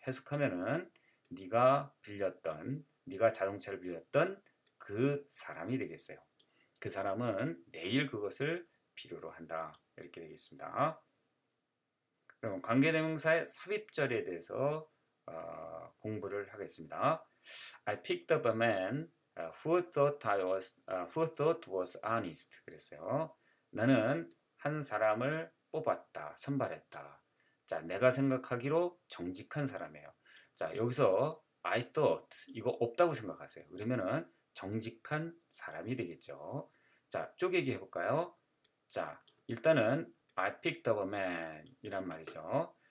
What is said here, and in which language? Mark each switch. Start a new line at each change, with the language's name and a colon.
Korean: 해석하면은 네가 빌렸던, 네가 자동차를 빌렸던 그 사람이 되겠어요. 그 사람은 내일 그것을 필요로 한다. 이렇게 되겠습니다. 그럼 관계대명사의 삽입절에 대해서 공부를 하겠습니다.
English: I picked up a man who thought was honest.
Korean: 그랬어요. 나는 한 사람을 뽑았다, 선발했다. 자, 내가 생각하기로 정직한 사람이에요. 자, 여기서
English: I thought
Korean: 이거 없다고 생각하세요. 그러면은 정직한 사람이 되겠죠. 자, 쪼개기 해볼까요? 자, 일단은
English: I picked up a man
Korean: 이란 말이죠.